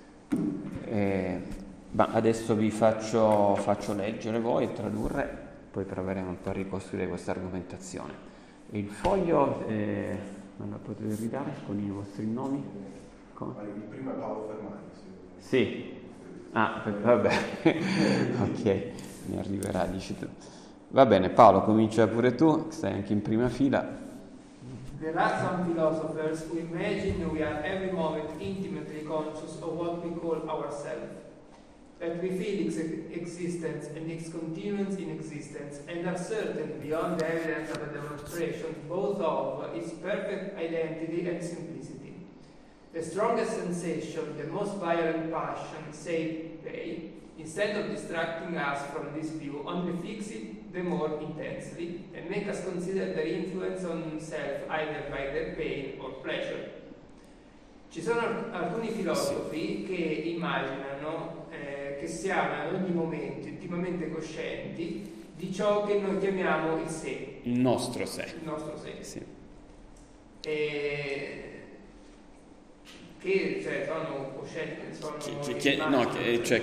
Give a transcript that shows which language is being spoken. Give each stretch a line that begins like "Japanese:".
Italian: Ma adesso vi faccio leggere voi e tradurre, poi proveremo un po' a ricostruire questa argomentazione. Il foglio. Me la potete ridare con i vostri nomi? Come? Prima Paolo Fermani, Sì. Ah, vabbè. Ok, mi arriverà, dici tu. Va bene, Paolo, comincia pure tu, stai anche in prima fila.
English: There are some philosophers who imagine we are every moment intimately conscious of what we call ourselves, that we feel existence and its continuance in existence, and are certain beyond the evidence of a demonstration both of its perfect identity and simplicity. The strongest sensation, the most violent passion, say they, instead of distracting us from this view, only fix it the more intensely and make us consider their influence on self, either by their pain or pleasure.
Italian: Ci sono alcuni filosofi che immaginano che siamo in ogni momento intimamente coscienti di ciò che noi chiamiamo il sé. Il nostro sé. Il nostro sé, sì. E che cioè, sono coscienti, sono